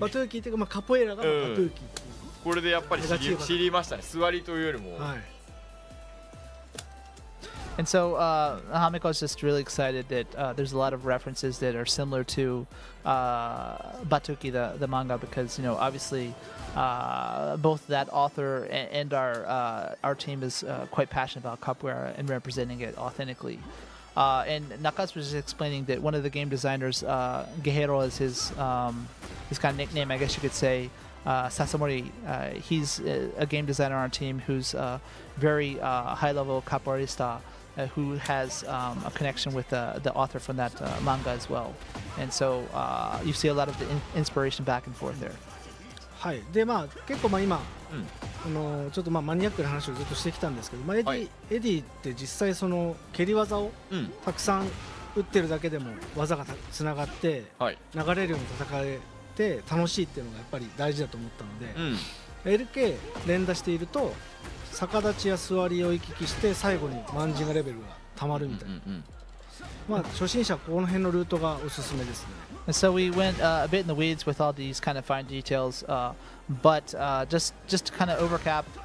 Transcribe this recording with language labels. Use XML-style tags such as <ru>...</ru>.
<ja>バトゥーキというか、まあ、カポエラがバトゥーキっていう、うん、これでやっぱり知りましたね、座りというよりも、はい。</ja> <en>And so Hameko is just really excited that there's a lot of references that are similar to Batuki, the manga, because, you know, obviously both that author and our team is quite passionate about capoeira and representing it authentically. And Nakatsu was just explaining that one of the game designers, Gehiro is his kind of nickname, I guess you could say, Sasamori, he's a game designer on our team who's a very high-level capoeirista. Who has a connection with the author from that manga as well. And so you see a lot of the inspiration back and forth there.</en> <ja>はい。で、まあ、結構まあ今、うん、ちょっとまあマニアックな話をずっとしてきたんですけど、まあはい、エディって実際その蹴り技をたくさん打ってるだけでも技がつながって、はい、流れるように戦えて楽しいっていうのがやっぱり大事だと思ったので、うん、 LK 連打していると逆立ちや座りを行き来して最後にマンジンガレベルがたまるみたいな、うんうんうん、まあ初心者はこの辺のルートがおすすめですね。</ja> <en>So we went a bit in the weeds with all these kind of fine details but just to kind of overcap</en>